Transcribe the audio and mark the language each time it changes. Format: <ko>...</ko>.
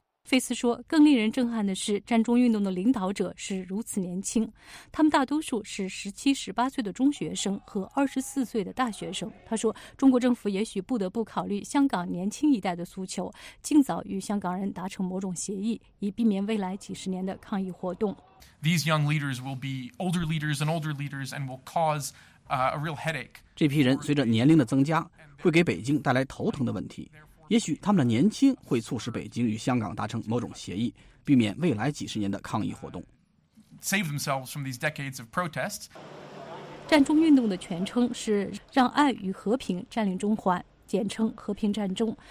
<zh>费斯说，更令人震撼的是，战中运动的领导者是如此年轻，他们大多数是17、18岁的中学生和24岁的大学生。他说，中国政府也许不得不考虑香港年轻一代的诉求，尽早与香港人达成某种协议，以避免未来几十年的抗议活动。</zh> <en>These young leaders will be older leaders and older leaders, and will cause a real headache.</en> <zh>这批人随着年龄的增加，会给北京带来头疼的问题。也许他们的年轻会促使北京与香港达成某种协议，避免未来几十年的抗议活动。</zh> <en>Save themselves from these decades of protests.</en> <zh>战中运动的全称是让爱与和平占领中环，简称和平战中。</zh>